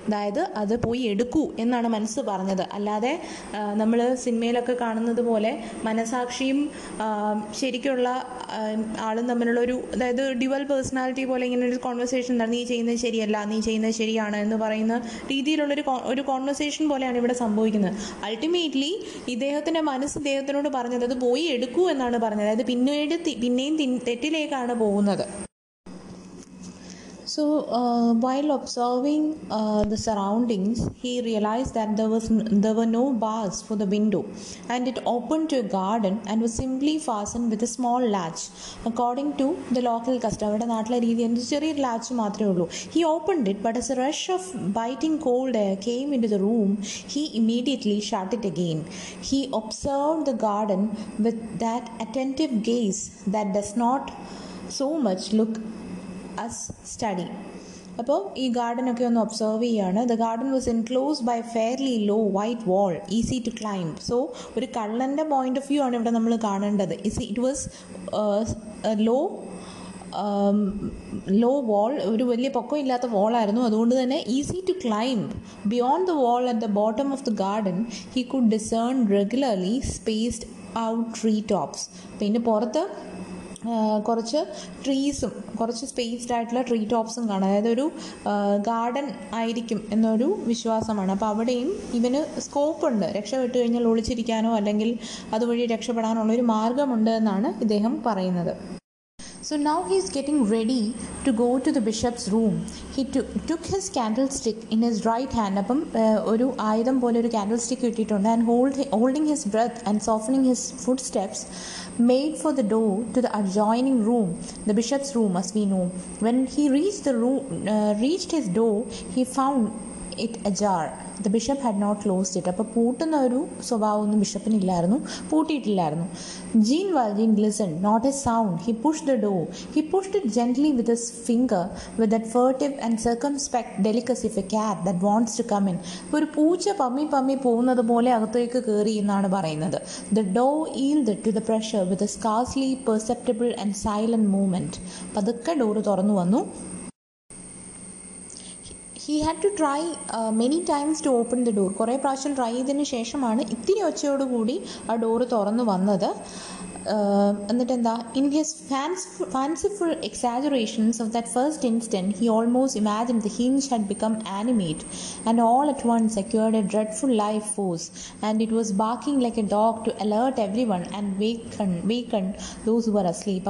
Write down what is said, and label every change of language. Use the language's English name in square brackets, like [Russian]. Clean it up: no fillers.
[Malayalam] അതായത് അത് പോയി എടുക്കൂ എന്നാണ് മനസ്സ് പറഞ്ഞത്. അല്ലാതെ നമ്മൾ സിനിമയിലൊക്കെ കാണുന്നത് പോലെ മനസാക്ഷിയും ശരിക്കുള്ള ആളും തമ്മിലുള്ളൊരു, അതായത് ഡ്യുവൽ പേഴ്സണാലിറ്റി പോലെ ഇങ്ങനെ ഒരു കോൺവെർസേഷൻ എന്താണ്, നീ ചെയ്യുന്നത് ശരിയല്ല, നീ ചെയ്യുന്നത് ശരിയാണ് എന്ന് പറയുന്ന രീതിയിലുള്ളൊരു ഒരു കോൺവെർസേഷൻ പോലെയാണ് ഇവിടെ സംഭവിക്കുന്നത്. അൾട്ടിമേറ്റ്ലി ഇദ്ദേഹത്തിൻ്റെ മനസ്സ് ഇദ്ദേഹത്തിനോട് പറഞ്ഞത് അത് പോയി എടുക്കൂ എന്നാണ് പറഞ്ഞത്. അതായത് പിന്നെയും തെറ്റിലേക്കാണ് പോകുന്നത്. [English] So, while observing the surroundings, he realized that there were no bars for the window, and it opened to a garden and was simply fastened with a small latch. According to the local custom, [Malayalam] avada naatla reethi endu cheriya latch mathrame ullu. [English] He opened it, but as a rush of biting cold air came into the room, he immediately shut it again. He observed the garden with that attentive gaze that does not so much look us study. [Malayalam] അപ്പോൾ ഈ ഗാർഡനൊക്കെ ഒന്ന് observe ചെയ്യുകയാണ്. [English] The garden was enclose by fairly low white wall, easy to climb. [Malayalam] So ഒരു കള്ളൻ്റെ point of view ആണ് ഇവിടെ നമ്മൾ കാണേണ്ടത്. [English] it was low wall, [Malayalam] ഒരു വലിയ പൊക്കമില്ലാത്ത വാളായിരുന്നു. അതുകൊണ്ട് തന്നെ [English] Easy to climb. Beyond the wall at the bottom of the garden he could discern regularly spaced out tree tops. [Malayalam] പിന്നെ പുറത്ത് കുറച്ച് ട്രീസും കുറച്ച് സ്പേസ്ഡ് ആയിട്ടുള്ള ട്രീ ടോപ്സും കാണാം. അതായത് ഒരു ഗാർഡൻ ആയിരിക്കും എന്നൊരു വിശ്വാസമാണ്. അപ്പോൾ അവിടെയും ഇവന് സ്കോപ്പുണ്ട്, രക്ഷപ്പെട്ടു കഴിഞ്ഞാൽ ഒളിച്ചിരിക്കാനോ അല്ലെങ്കിൽ അതുവഴി രക്ഷപ്പെടാനുള്ള ഒരു മാർഗമുണ്ട് എന്നാണ് ഇദ്ദേഹം പറയുന്നത്. [English] So now he is getting ready to go to the bishop's room. He took his candlestick in his right hand, [Malayalam] appam oru aayidam pole oru candlestick kittittund, [English] and holding his breath and softening his footsteps, made for the door to the adjoining room, the bishop's room, as we know. When he reached the room, reached his door, he found it ajar. The bishop had not closed it. [Malayalam] അപ്പോൾ പൂട്ടുന്ന ഒരു സ്വഭാവമൊന്നും ബിഷപ്പിനില്ലായിരുന്നു, പൂട്ടിയിട്ടില്ലായിരുന്നു. [English] Jean Valjean listen not a sound. He push the door, he push it gently with his finger with that furtive and circumspect delicacy of a cat that wants to come in. [Malayalam] ഒരു പൂച്ച പമ്മി പമ്മി പോകുന്നത് പോലെ അകത്തേക്ക് കയറി എന്നാണ് പറയുന്നത്. [English] The door yield to the pressure with a scarcely perceptible and silent movement. [Malayalam] പതുക്കെ ഡോറ് തുറന്നു വന്നു. [English] He had to try many times to open the door. [Malayalam] കുറേ പ്രാവശ്യം ട്രൈ ചെയ്തതിന് ശേഷമാണ് ഇത്തിരി ഒച്ചയോടുകൂടി ആ ഡോറ് തുറന്നു വന്നത്. എന്നിട്ടെന്താ, [English] In his fanciful exaggerations of that first instant he almost imagine the hinge had become animate and all at once secured a dreadful life force and it was barking like a dog to alert every one and waken those were asleep.